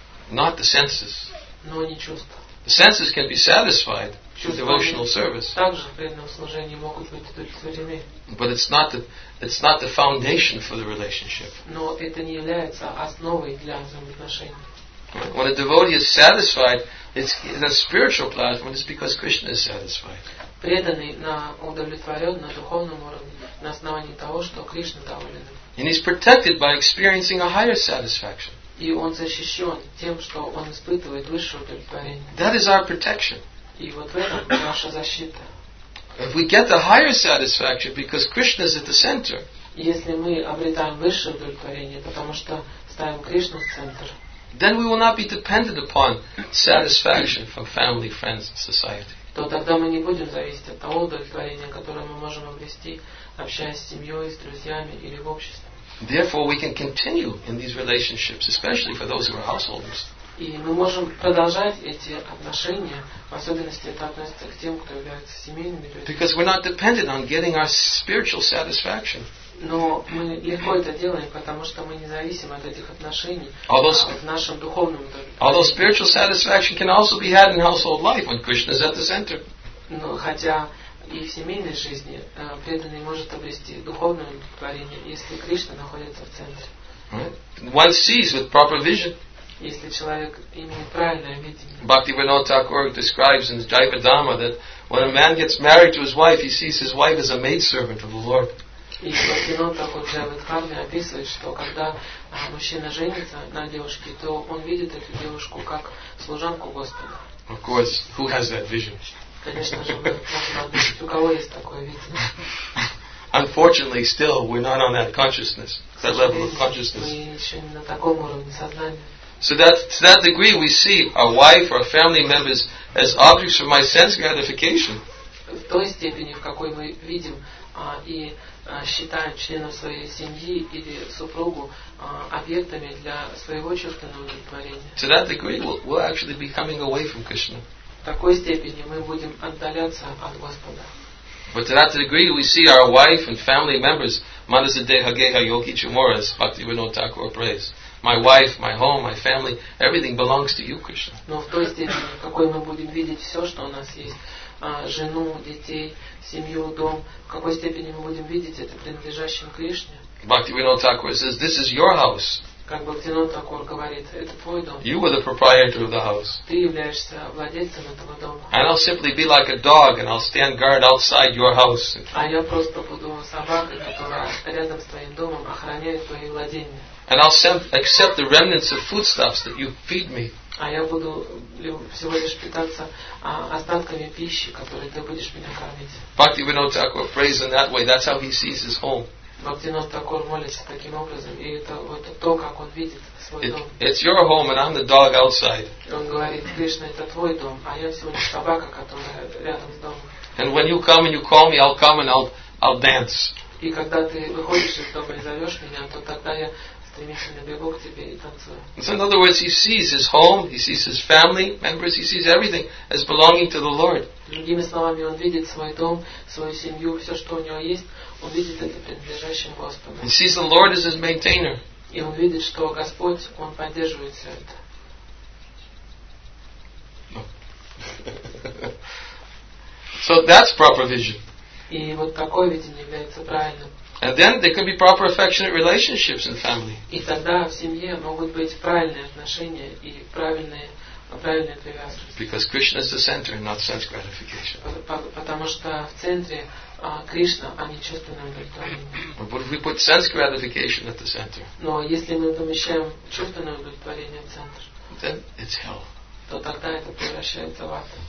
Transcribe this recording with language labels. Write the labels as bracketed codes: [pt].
[en] Not the senses. [ru] Но не чувства. [en] The senses can be satisfied through devotional service. [ru] Также преданное служение могут быть удовлетворены. [en] But it's not the foundation for the relationship. [ru] Но это не является основой для взаимоотношений. [en] When a devotee is satisfied, it's the spiritual plasma, it's because Krishna is satisfied. [ru] Преданный на удовлетворен на духовном уровне на основании того, что Кришна доволен. [en] And he's protected by experiencing a higher satisfaction. [ru] И он защищен тем, что он испытывает высшее удовлетворение. [en] That is our protection. [ru] И вот в этом наша защита. [en] If we get the higher satisfaction because Krishna is at the center. [ru] Если мы обретаем высшее удовлетворение, потому что ставим Кришну в центр. [en] Then we will not be dependent upon satisfaction from family, friends, and society. [ru] То тогда мы не будем зависеть от того удовлетворения, которое мы можем обрести, общаясь с семьей, с друзьями или в обществе. [en] Therefore, we can continue in these relationships, especially for those who are householders. [ru] И мы можем продолжать эти отношения, в особенности это относится к тем, кто является семейными людьми. [en] Because we're not dependent on getting our spiritual satisfaction. [ru] Но мы легко это делаем, потому что мы не зависим от этих отношений в нашем духовном удовлетворении. [en] Although spiritual satisfaction can also be had in household life when Krishna is at the center. [ru] Но хотя и в семейной жизни преданный может обрести духовное удовлетворение, если Кришна находится в центре. [en] Right? One sees with proper vision. [ru] Если человек имеет правильное видение. [en] Bhaktivinoda Thakur describes in the Jiva Dhamma that when a man gets married to his wife, he sees his wife as a maidservant of the Lord. [ru] И Бхактивинода Тхакур Джайвадхарме описывает, что когда мужчина женится на девушке, то он видит эту девушку как служанку Господа. [en] Of course, who has that vision? [ru] Конечно же, можно отметить, у кого есть такое видение. [en] Unfortunately, still, we're not on that consciousness, that level of consciousness. [ru] Мы еще не на таком уровне сознания. [en] So that to that degree, we see our wife or our family members as objects for my sense gratification. [ru] В той степени, в какой мы видим и считаем членов своей семьи или супругу объектами для своего чувственного удовлетворения. [en] To that degree, we'll actually be coming away from Krishna. [ru] В такой степени мы будем отдаляться от Господа. [en] But to that degree, we see our wife and family members, [bn] manasa deha geha yogi chumoras, [en] Bhaktivinoda Thakur prays. My wife, my home, my family, everything belongs to you, Krishna. [ru] Но в той степени, в какой мы будем видеть все, что у нас есть, жену, детей, семью, дом, в какой степени мы будем видеть это принадлежащим Кришне. [en] Bhaktivinoda Thakur says, this is your house. [ru] Как Бхактивинода Такур говорит, это твой дом. [en] You are the proprietor of the house. [ru] Ты являешься владельцем этого дома. [en] And I'll simply be like a dog and I'll stand guard outside your house. [ru] А я просто буду собакой, которая рядом с твоим домом охраняет твои владения. [en] And I'll accept the remnants of foodstuffs that you feed me. [ru] А я буду всего лишь питаться остатками пищи, которые ты будешь меня кормить. [en] Bhaktivinoda Thakur prays in that way. That's how he sees his home. [ru] Бхактивинода Такур молится таким образом, и это то, как он видит свой дом. [en] It's your home, and I'm the dog outside. [ru] Он говорит, Кришна, это твой дом, а я всего лишь собака, которая рядом с домом. [en] And when you come and you call me, I'll come and I'll dance. [ru] И когда ты выходишь из дома и зовешь меня, то тогда я стремительно бегу к тебе и танцую. [en] So in other words, he sees his home, he sees his family members, he sees everything as belonging to the Lord. [ru] Другими словами, он видит свой дом, свою семью, все, что у него есть, он видит это принадлежащим Господу. [en] He sees the Lord as his maintainer. [ru] И он видит, что Господь, он поддерживает все это. [en] So that's proper vision. [ru] И вот такое видение является правильным. [en] And then there can be proper affectionate relationships in family. [ru] И тогда в семье могут быть правильные отношения и правильные привязанности. [en] Because Krishna is the center, not sense gratification. [ru] Потому что в центре Кришна, а не чувственное удовлетворение. [en] But if we put sense gratification at the center. [ru] Но если мы помещаем чувственное удовлетворение в центр. [en] Then it's hell. [ru] То тогда это превращается в ад.